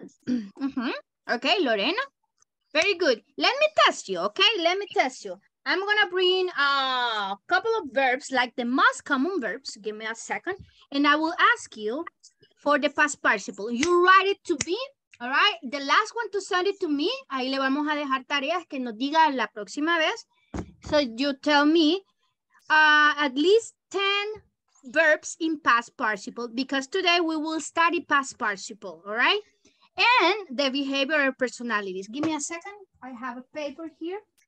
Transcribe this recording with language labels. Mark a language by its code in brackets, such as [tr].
[en] Mm-hmm. Okay, Lorena. Very good. Let me test you, okay? Let me test you. I'm going to bring a couple of verbs, like the most common verbs. Give me a second. And I will ask you for the past participle. You write it to me, all right? The last one to send it to me. [es] Ahí le vamos a dejar tareas que nos diga la próxima vez. [en] So you tell me at least 10 verbs in past participle, because today we will study past participle, all right? And the behavior of personalities. Give me a second. I have a paper here.